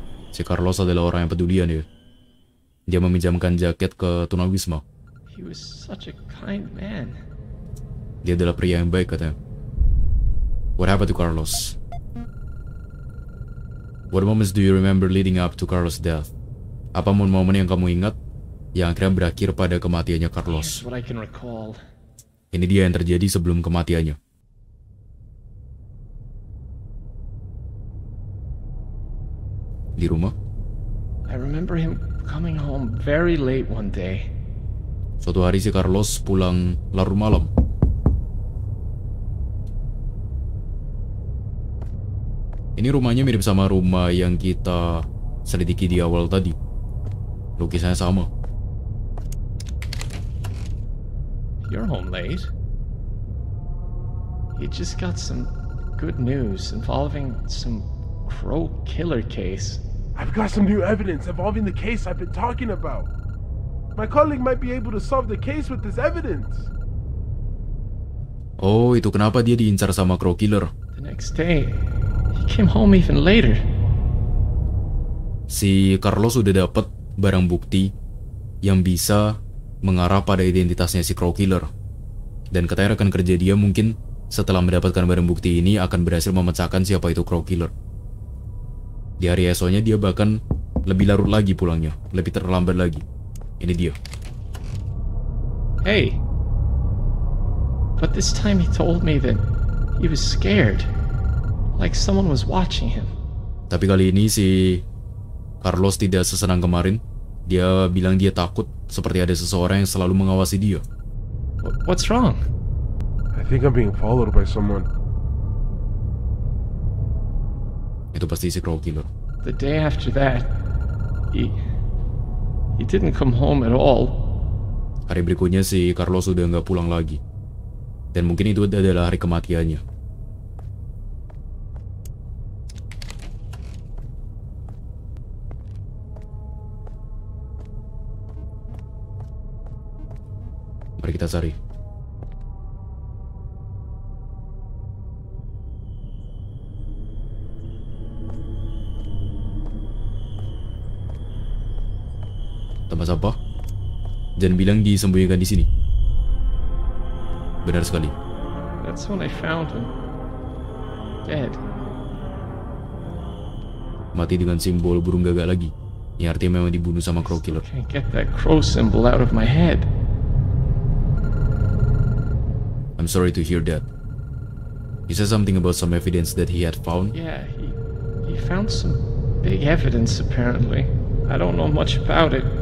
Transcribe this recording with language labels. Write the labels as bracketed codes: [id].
[id] Si Carlos adalah orang yang pedulian ya. Dia meminjamkan jaket ke tunawisma. [en] He was such a kind man. [id] Dia adalah pria yang baik katanya. [en] What happened to Carlos? What moments do you remember leading up to Carlos' death? [id] Apa momen-momen yang kamu ingat yang akhirnya berakhir pada kematiannya Carlos? [en] Here's what I can recall. [id] Ini dia yang terjadi sebelum kematiannya. Di rumah. [en] I remember him coming home very late one day. [id] Suatu hari si Carlos pulang larut malam. Ini rumahnya mirip sama rumah yang kita selidiki di awal tadi. Lukisannya sama. [en] You're home late. You just got some good news involving some crow killer case. I've got some new evidence involving the case I've been talking about. My colleague might be able to solve the case with this evidence. [id] Oh, itu kenapa dia diincar sama crow killer? [en] The next day, he came home even later. [id] Si Carlos sudah dapat barang bukti yang bisa mengarah pada identitasnya si crow killer. Dan katanya rekan kerja dia mungkin setelah mendapatkan barang bukti ini akan berhasil memecahkan siapa itu crow killer. Di hari esoknya dia bahkan lebih larut lagi pulangnya, lebih terlambat lagi. Ini dia. [en] Hey. But this time he told me that he was scared. Like someone was watching him. [id] Tapi kali ini si Carlos tidak sesenang kemarin. Dia bilang dia takut seperti ada seseorang yang selalu mengawasi dia. [en] What's wrong? I think I'm being followed by someone. [id] Itu pasti si crow killer. [en] The day after that, he didn't come home at all. [id] Hari berikutnya si Carlos sudah enggak pulang lagi. Dan mungkin itu adalah hari kematiannya. Mari kita cari. Tempat sampah. Jangan bilang disembunyikan di sini. Benar sekali. [en] That's when I found him. Dead. [id] Mati dengan simbol burung gagak lagi. Yang artinya memang dibunuh sama crow killer. [en] I can't get that crow symbol out of my head. I'm sorry to hear that. He said something about some evidence that he had found. Yeah, he found some big evidence apparently. I don't know much about it.